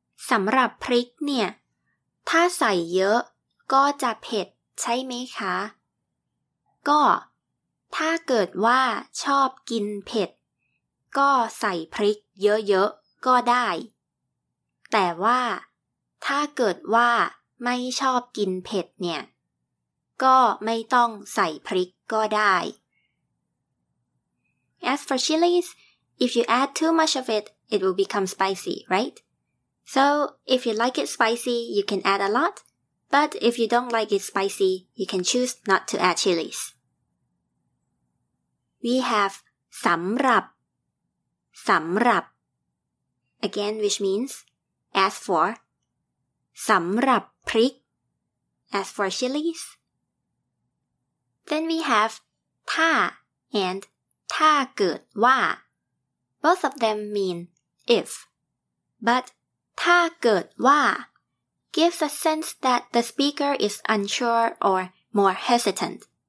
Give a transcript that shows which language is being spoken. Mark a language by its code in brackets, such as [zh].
[th] สำหรับพริกเนี่ยถ้าใส่เยอะก็จะเผ็ดใช่ไหมคะก็ถ้าเกิดว่าชอบกินเผ็ดก็ใส่พริกเยอะๆก็ได้แต่ว่าถ้าเกิดว่าไม่ชอบกินเผ็ดเนี่ยก็ไม่ต้องใส่พริกก็ได้ [en] As for chilies, if you add too much of it will become spicy, right? So, if you like it spicy, you can add a lot, but if you don't like it spicy, you can choose not to add chilies. We have สำหรับ again, which means as for [th] สำหรับ พริก [en] as for chilies. Then we have ถ้า and ถ้าเกิดว่า both of them mean if, but ถ้าเกิดว่า gives a sense that the speaker is unsure or more hesitant.